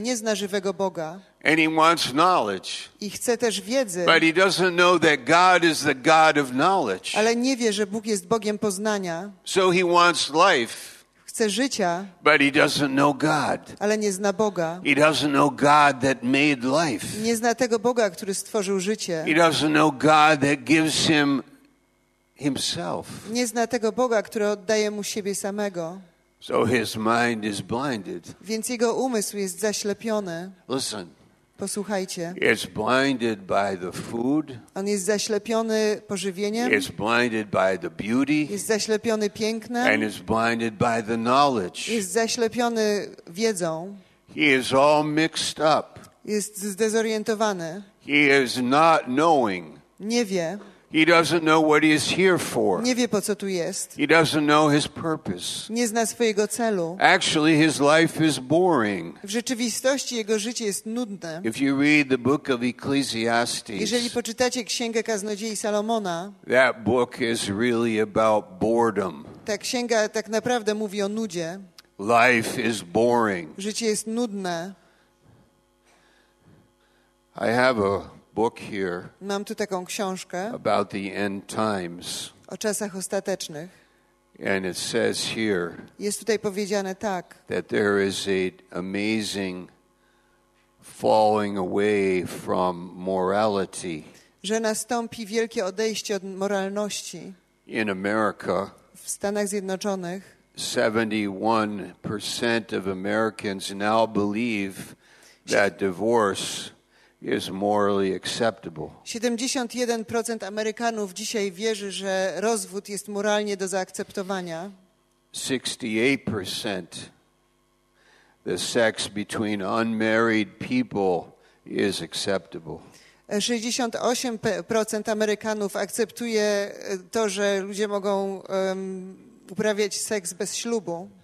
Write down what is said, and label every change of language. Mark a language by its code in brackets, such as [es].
[pl] Nie zna żywego Boga. [en] And he wants knowledge. [pl] I chce też wiedzy. [en] But he doesn't know that God is the God of knowledge. [pl] Ale nie wie, że Bóg jest Bogiem poznania. [en] So he wants life. [pl] Chce życia. [en] But he doesn't know God. [pl] Ale nie zna Boga. [en] He doesn't know God that made life. [pl] Nie zna tego Boga, który stworzył życie. [en] He doesn't know God that gives him himself. [pl] Nie zna tego Boga, który oddaje mu siebie samego. [en] So his mind is blinded. [pl] Więc jego umysł jest zaślepiony. [en] Listen. [pl] Posłuchajcie. [en] It's blinded by the food. [pl] On jest zaślepiony pożywieniem. [en] It's blinded by the beauty. [pl] Jest zaślepiony pięknem. [en] And is blinded by the knowledge. [pl] Jest zaślepiony wiedzą. [en] He is all mixed up. [pl] Jest zdezorientowany. [en] He is not knowing. [pl] Nie wie. [en] He doesn't know what he is here for. [pl] Nie wie, po co tu jest. [en] He doesn't know his purpose. [pl] Nie zna swojego celu. [en] Actually, his life is boring. [pl] W rzeczywistości jego życie jest nudne. [en] If you read the book of Ecclesiastes, [pl] jeżeli poczytacie Księgę Kaznodziei Salomona, [en] that book is really about boredom. [pl] Ta księga tak naprawdę mówi o nudzie. [en] Life is boring. [pl] Życie jest nudne. [en] I have a book here. [pl] Mam tu taką książkę. [en] About the end times. [pl] O czasach ostatecznych. [en] And it says here. [pl] Jest tutaj powiedziane tak. [en] That there is an amazing falling away from morality. [pl] Że nastąpi wielkie odejście od moralności. [en] In America. [pl] W Stanach Zjednoczonych. [en] 71% of Americans now believe that divorce is morally acceptable. [pl] 71% Amerykanów dzisiaj wierzy, że rozwód jest moralnie do zaakceptowania. [en] 68% the sex between unmarried people is acceptable. [pl] 68% Amerykanów akceptuje to, że ludzie mogą uprawiać seks bez ślubu.